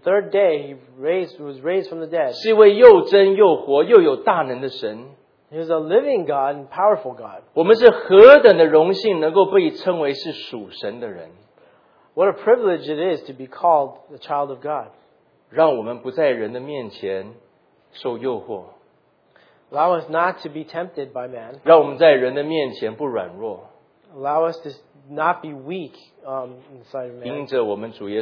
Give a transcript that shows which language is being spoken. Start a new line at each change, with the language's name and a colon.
English: third day He was raised from the dead.
Chinese: 是一位又真又活又有大能的神。
English: He is a living God and powerful God.
Chinese: 我们是何等的荣幸能够被称为是属神的人。
English: What a privilege it is to be called the child of God.
Chinese: 让我们不在人的面前受诱惑。
English: Allow us not to be tempted by man.
Chinese: 让我们在人的面前不软弱。
English: Allow us to not be weak inside of man.